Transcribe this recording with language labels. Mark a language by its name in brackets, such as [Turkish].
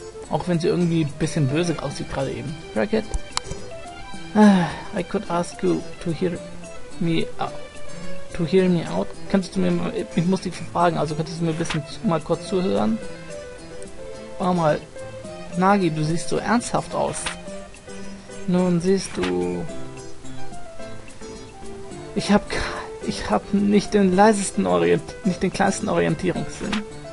[German] Auch wenn sie irgendwie ein bisschen böse aussieht gerade eben. [English] Racket, I could ask you to hear me out. [German] Kannst du mir mal, ich muss dich fragen, also könntest du mir ein bisschen mal kurz zuhören? Warte mal, Nagi, du siehst so ernsthaft aus. Nun siehst du, ich hab nicht den leisesten Orientierungssinn.